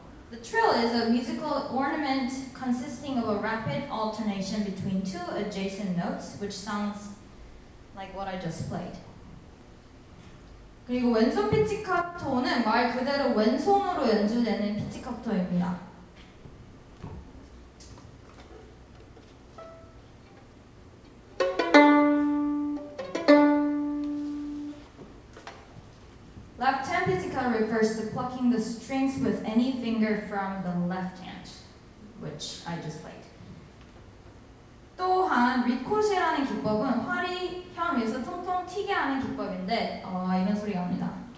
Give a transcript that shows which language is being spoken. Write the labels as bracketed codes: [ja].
[en] The trill is a musical ornament consisting of a rapid alternation between two adjacent notes, which sounds like what I just played. [ko] 그리고 왼손 피치카토는 말 그대로 왼손으로 연주되는 피치카토입니다. [en] 피치카토 refers to plucking the strings with any finger from the left hand, which I just played. [ko] 또한 리코셰라는 기법은 활이 혀 위에서 통통 튀게 하는 기법인데 이런 소리가 납니다.